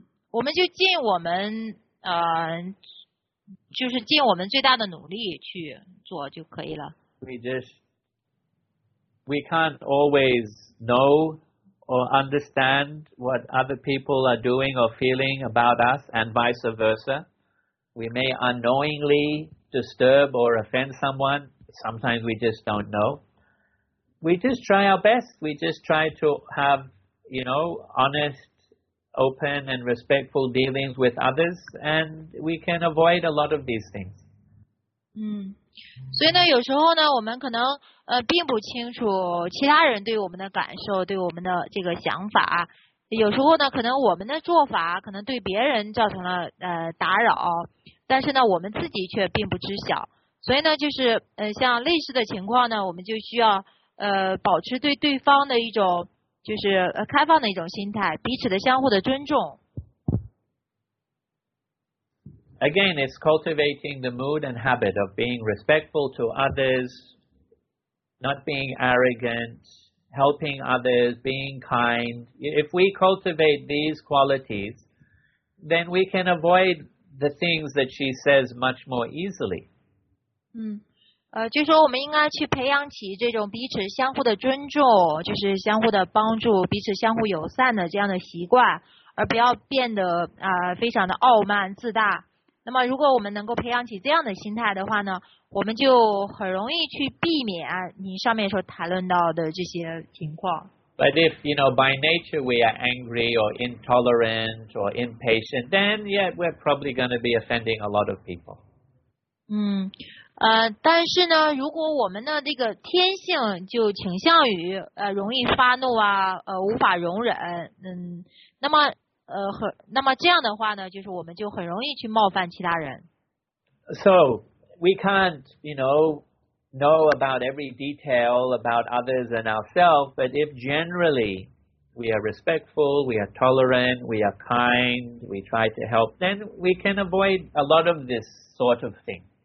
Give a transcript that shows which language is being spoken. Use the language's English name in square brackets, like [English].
[Chinese] 我们就尽我们就是尽我们最大的努力去做就可以了。 [English] We can't always know or understand what other people are doing or feeling about us and vice versa. We may unknowingly disturb or offend someone. Sometimes we just don't know. We just try our best. We just try to have, you know, honest, open and respectful dealings with others, and we can avoid a lot of these things. [Chinese] 所以呢，有时候呢，我们可能并不清楚其他人对我们的感受，对我们的这个想法。有时候呢，可能我们的做法可能对别人造成了打扰，但是呢，我们自己却并不知晓。所以呢，就是像类似的情况呢，我们就需要保持对对方的一种就是开放的一种心态，彼此的相互的尊重。 [English] Again, it's cultivating the mood and habit of being respectful to others, not being arrogant, helping others, being kind. If we cultivate these qualities, then we can avoid the things that she says much more easily. [Chinese] 就说我们应该去培养起这种彼此相互的尊重，就是相互的帮助，彼此相互友善的这样的习惯，而不要变得非常的傲慢自大。那么，如果我们能够培养起这样的心态的话呢，我们就很容易去避免你上面所谈论到的这些情况。 [English] But if you know by nature we are angry or intolerant or impatient, then yeah, we're probably going to be offending a lot of people. [Chinese] 但是呢，如果我们的这个天性就倾向于容易发怒啊，无法容忍，那么。那么这样的话呢，就是我们就很容易去冒犯其他人。 [English] So we can't, you know, know about every detail about others and ourselves, but if generally we are respectful, we are tolerant, we are kind, we try to help, then we can avoid a lot of this sort of thing.